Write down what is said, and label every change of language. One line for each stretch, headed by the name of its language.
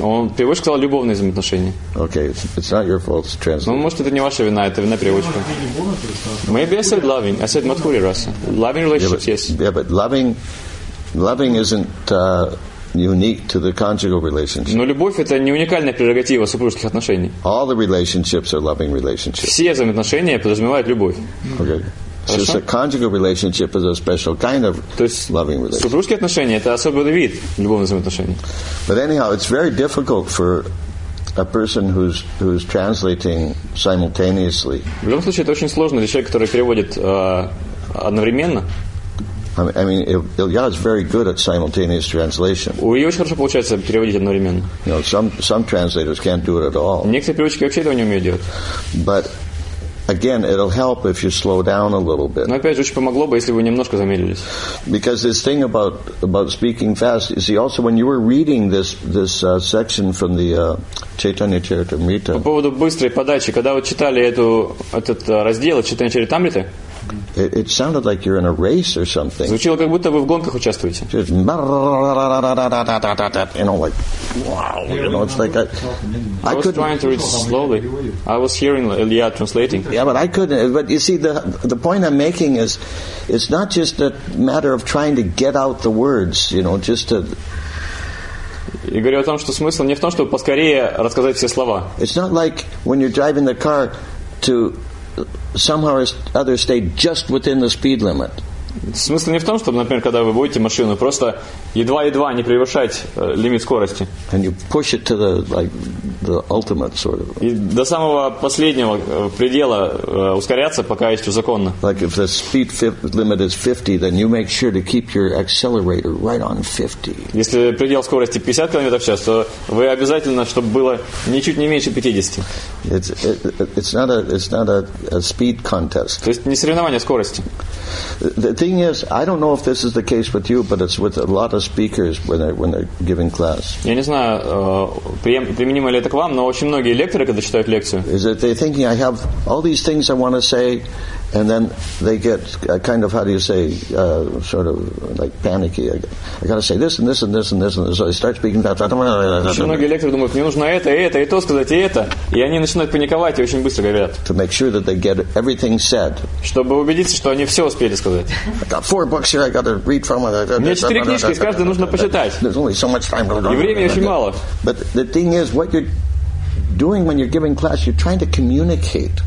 Russian: Он переводчик сказал любовные взаимоотношения.
English: Okay, it's not your fault, it's translation.
Russian: Ну, может, это не ваша вина, это вина переводчика.
English: Maybe I said loving. I said Madhurya rasa. Loving relationships, yeah, but, yes. Yeah, but loving isn't unique to the conjugal relationship.
Russian: Но любовь это не уникальная прерогатива супружеских отношений.
English: All the relationships are loving relationships.
Russian: Все взаимоотношения подразумевают любовь.
English: Okay. So a conjugal relationship is a special kind of loving relationship.
Russian: Супружеские отношения это особый вид любовных взаимоотношений.
English: But anyhow, it's very difficult for a person who's translating simultaneously.
Russian: В любом случае, это очень сложно для человека, который переводит одновременно.
English: I mean, Ilya is very good at simultaneous translation.
Russian: У Ильи очень хорошо получается переводить одновременно.
English: You know, some translators can't do it at all.
Russian: Некоторые переводчики вообще этого не умеют делать.
English: But again, it'll help if you slow down a little bit.
Russian: Но опять же, очень помогло бы, если бы вы немножко замедлились.
English: Because this thing about speaking fast, you see, also when you were reading this section from the Chaitanya Charitamrita.
Russian: По поводу быстрой подачи, когда вы читали этот раздел Chaitanya Charitamrita.
English: It sounded like you're in a race or something.
Russian: Звучило, как будто вы в гонках участвуете.
English: Just, you know, like, wow. You know, it's like I was trying to read slowly. I was hearing Ilya translating. Yeah, but I couldn't. But you see, the point I'm making is, it's not just a matter of trying to get out the words, you know, just to...
Russian: И говорю о том, что смысл не в том, чтобы поскорее рассказать все слова.
English: It's not like when you're driving the car to... Somehow or other, stay just within the speed limit.
Russian: Смысл не в том, чтобы, например, когда вы будете машину, просто едва-едва не превышать лимит скорости.
English: And you push it to the like the ultimate sort of.
Russian: И до самого последнего предела ускоряться, пока есть законно.
English: Like if the speed limit is 50, then you make sure to keep your accelerator right on 50.
Russian: Если предел скорости 50 км в час, то вы обязательно, чтобы было ничуть не меньше 50.
English: It's not a speed contest.
Russian: То есть не соревнование скорости.
English: The thing is, I don't know if this is the case with you, but it's with a lot of speakers when they're giving class.
Russian: Я не знаю, применимо ли это к вам, но очень многие лекторы, когда читают лекцию,
English: is that they're thinking, I have all these things I want to say, and then they get kind of, how do you say, sort of like panicky. I got to say this and this and this and this, and so they start speaking that.
Russian: Очень многие лекторы думают, мне нужно это, и то сказать, и это. И они начинают паниковать и очень быстро говорят.
English: To make sure that they get everything said.
Russian: Чтобы убедиться, что они все успели сказать.
English: I got four books here I got to read from.
Russian: Мне четыре книжки, с каждой нужно почитать.
English: There's only so much time.
Russian: И времени очень мало.
English: But the thing is, what you're doing when you're giving class, you're trying to communicate.